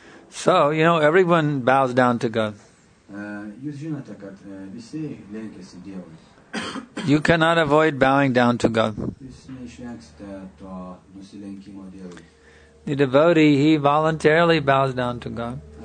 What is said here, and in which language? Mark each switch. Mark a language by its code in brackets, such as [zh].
[en] So, you know, everyone bows down to God. [lt] Jūs žinote, kad visi lenkiasi Dievui. [en] You cannot avoid bowing down to God. [lt] Jūs neišvengsite to nusilenkimo Dievui. [en] The devotee, he voluntarily bows down to God.